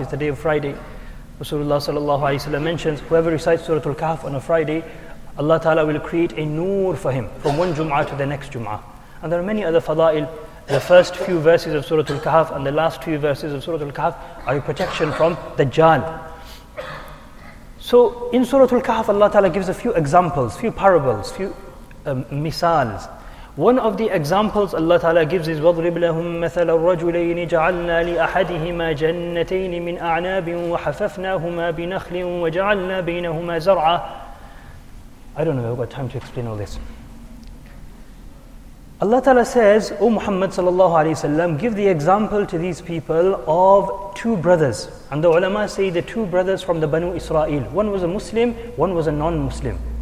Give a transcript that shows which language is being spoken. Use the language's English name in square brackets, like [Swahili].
[English] It's the day of Friday. Rasulullah sallallahu alayhi wa sallam mentions, whoever recites Surah Al-Kahf on a Friday, Allah Ta'ala will create a nur for him from one Jum'ah to the next Jum'ah. And there are many other fada'il. The first few verses of Surah Al-Kahf and the last few verses of Surah Al-Kahf are a protection from Dajjal. So in Surah Al-Kahf, Allah Ta'ala gives a few examples, few parables, few misals. [Arabic] One of the examples Allah Ta'ala gives is وَضْرِبْ لَهُمْ مَثَلَ الرَّجُلَيْنِ جَعَلْنَا لِأَحَدِهِمَا جَنَّتَيْنِ مِنْ أَعْنَابٍ وَحَفَفْنَاهُمَا بِنَخْلٍ وَجَعَلْنَا بَيْنَهُمَا زَرْعًا. [English] I don't know if I've got time to explain all this. Allah Ta'ala says, O Muhammad sallallahu alayhi wa sallam, give the example to these people of two brothers. And the ulama say the two brothers from the Banu Israel. One was a Muslim, one was a non-Muslim.